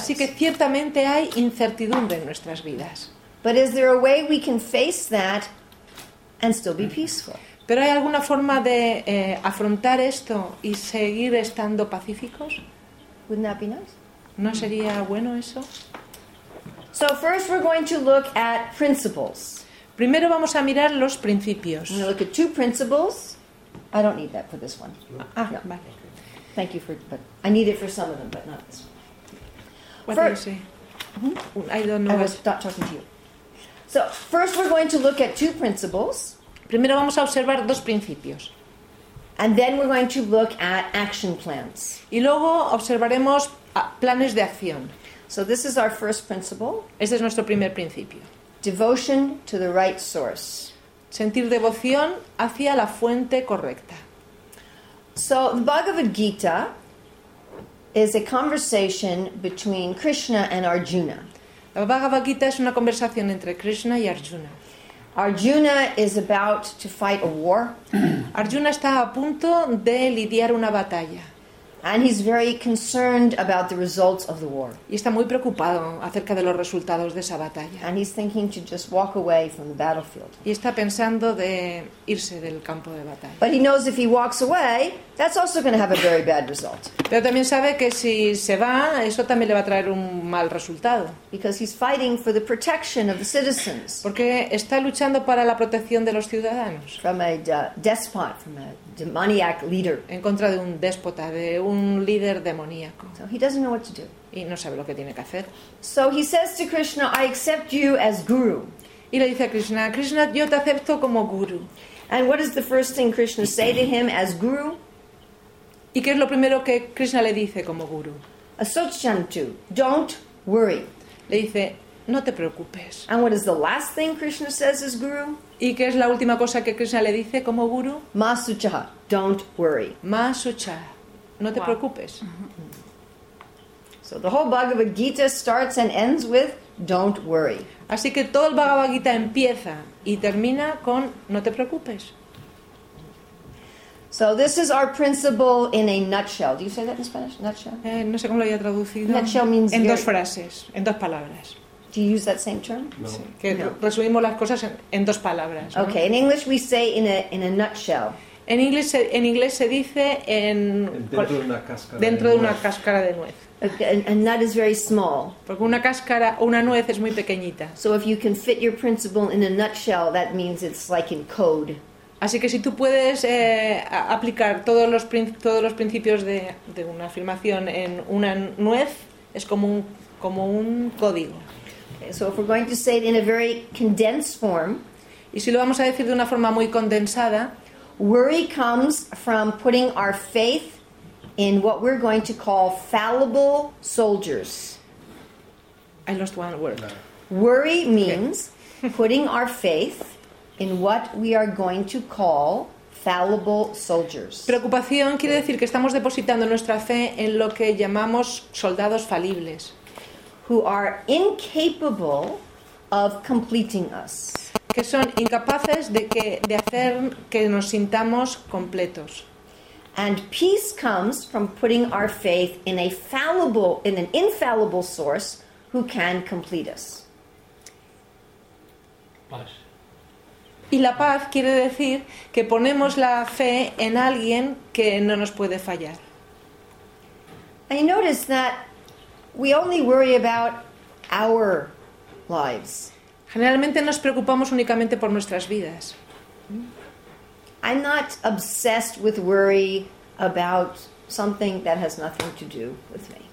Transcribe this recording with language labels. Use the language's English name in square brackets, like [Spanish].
[Spanish] Así que ciertamente hay incertidumbre en nuestras vidas. [English] But is there a way we can face that and still be peaceful? [Spanish] ¿Pero hay alguna forma de afrontar esto y seguir estando pacíficos? [English] Wouldn't that be nice? [Spanish] ¿No sería bueno eso? [English] So first we're going to look at principles. [Spanish] Primero vamos a mirar los principios. [English] We're going to look at two principles. I don't need that for this one. [Spanish] Ah, no. Vale. [English] Thank you but I need it for some of them, but not this one. What do you say? Mm-hmm. I don't know. Stop talking to you. So first, we're going to look at two principles. [Spanish] Primero vamos a observar dos principios. [English] And then we're going to look at action plans. [Spanish] Y luego observaremos planes de acción. [English] So this is our first principle. [Spanish] Este es nuestro primer principio. [English] Devotion to the right source. [Spanish] Sentir devoción hacia la fuente correcta. [English] So the Bhagavad Gita is a conversation between Krishna and Arjuna. [Spanish] La Bhagavad Gita es una conversación entre Krishna y Arjuna. [English] Arjuna is about to fight a war. [Spanish] Arjuna está a punto de lidiar una batalla. [English] And he's very concerned about the results of the war. [Spanish] Y está muy preocupado acerca de los resultados de esa batalla. [English] And he's thinking to just walk away from the battlefield. [Spanish] Y está pensando de irse del campo de batalla. [English] But he knows if he walks away, that's also going to have a very bad result. [Spanish] Pero también sabe que si se va, eso también le va a traer un mal resultado. [English] Because he's fighting for the protection of the citizens. [Spanish] Porque está luchando para la protección de los ciudadanos. [English] From a despot, from a demoniac leader. [Spanish] En contra de un déspota, de un líder demoníaco. [English] So he doesn't know what to do. [Spanish] Y no sabe lo que tiene que hacer. [English] So he says to Krishna, I accept you as guru. [Spanish] Y le dice a Krishna, Krishna, yo te acepto como guru. [English] And what is the first thing Krishna say to him as guru? [Spanish] ¿Y qué es lo primero que Krishna le dice como guru? [English] Asochantu, don't worry. [Spanish] Le dice, no te preocupes. [English] And what is the last thing Krishna says as guru? [Spanish] ¿Y qué es la última cosa que Krishna le dice como guru? [English] Masucha, don't worry. [Spanish] Masucha, no te preocupes. [English] So the whole Bhagavad Gita starts and ends with don't worry. [Spanish] Así que todo el Bhagavad Gita empieza y termina con no te preocupes. [English] So this is our principle in a nutshell. Do you say that in Spanish? Nutshell? [Spanish] No sé cómo lo haya traducido. [English] Nutshell means [Spanish] en dos frases, en dos palabras. [English] Do you use that same term? [Spanish] No. Que no. Resumimos las cosas en dos palabras. ¿No? [English] Okay, in English we say in a nutshell. [Spanish] En inglés se dice en dentro de una cáscara de nuez. [English] Okay, and that is very small. [Spanish] Porque una cáscara, una nuez es muy pequeñita. [English] So if you can fit your principle in a nutshell, that means it's like in code. [Spanish] Así que si tú puedes aplicar todos los principios de una afirmación en una nuez, es como un código. [English] So if we're going to say it in a very condensed form, [Spanish] y si lo vamos a decir de una forma muy condensada, [English] worry comes from putting our faith in what we're going to call fallible soldiers. I lost one word. Worry means putting our faith in what we are going to call fallible soldiers. [Spanish] Preocupación quiere decir que estamos depositando nuestra fe en lo que llamamos soldados falibles. [English] Who are incapable of completing us. [Spanish] Que son incapaces de hacer que nos sintamos completos. [English] And peace comes from putting our faith in a fallible, in an infallible source who can complete us. [Spanish] Paz. Y la paz quiere decir que ponemos la fe en alguien que no nos puede fallar. [English] I noticed that we only worry about our lives. [Spanish] Generalmente nos preocupamos únicamente por nuestras vidas. [English] I'm not obsessed with worry about something that has nothing to do with me.